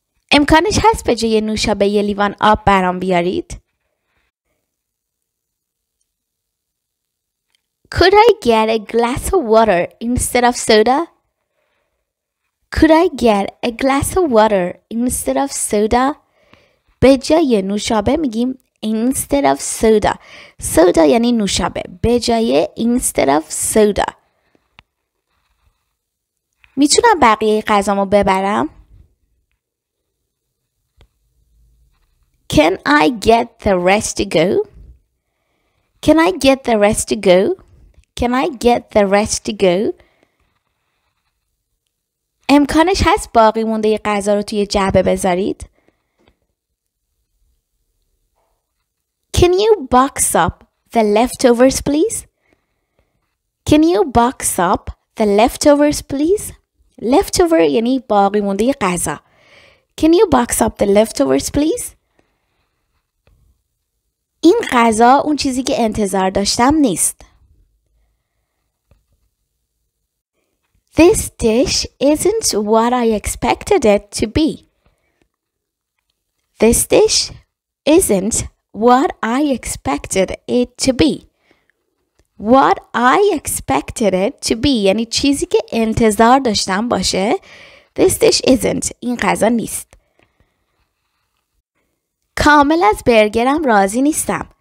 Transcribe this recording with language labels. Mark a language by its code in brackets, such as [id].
[fa] امکانش هست به جای نوشابه یه لیوان آب برام بیارید؟ [en] Could I get a glass of water instead of soda? Could I get a glass of water instead of soda? [fa] به جای نوشابه میگیم [en] instead of soda. [fa] Soda یعنی نوشابه. به جای [en] instead of soda. [fa] میتونم بقیه غذامو ببرم؟ [en] Can I get the rest to go? Can I get the rest to go? Can I get the rest to go? [fa] امکانش هست باقی مونده یه غذا رو توی جعبه بذارید؟ [en] Can you box up the leftovers, please? Can you box up the leftovers, please? [fa] Leftover یعنی باقی مونده یه غذا. [en] Can you box up the leftovers, please? [fa] این غذا اون چیزی که انتظار داشتم نیست. [en] This dish isn't what I expected it to be. This dish isn't what I expected it to be. What I expected it to be. [fa] یعنی چیزی که انتظار داشتم باشه. [en] This dish isn't. [fa] این غذا نیست. کامل از برگرم راضی نیستم.